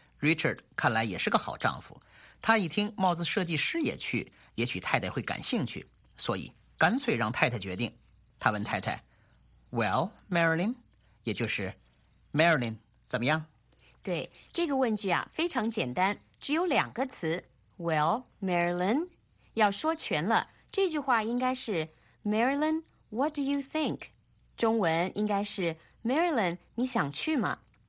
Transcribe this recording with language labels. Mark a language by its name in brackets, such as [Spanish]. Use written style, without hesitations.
[Chinese] Richard 看来也是个好丈夫，他一听帽子设计师也去，也许太太会感兴趣，所以干脆让太太决定。他问太太 [English] Well, Marilyn? [Chinese] 也就是 Marilyn, 怎么样? 对，这个问句啊，非常简单，只有两个词 [English] Well, Marilyn? [Chinese] 要说全了，这句话应该是 Marilyn, [English] what do you think? [Chinese] 中文应该是 Marilyn, 你想去吗?